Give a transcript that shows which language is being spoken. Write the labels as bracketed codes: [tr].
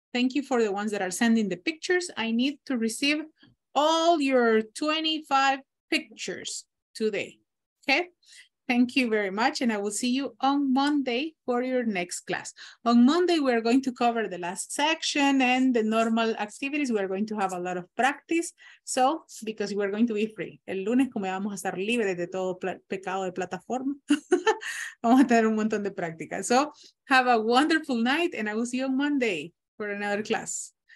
[en] Thank you for the ones that are sending the pictures. I need to receive all your 25 pictures today. Okay. Thank you very much. And I will see you on Monday for your next class. On Monday, we're going to cover the last section and the normal activities. We're going to have a lot of practice. So, because we're going to be free. [es] El lunes, como vamos a estar libres de todo pecado de plataforma, vamos a tener un montón de práctica. [en] So, have a wonderful night and I will see you on Monday for another class.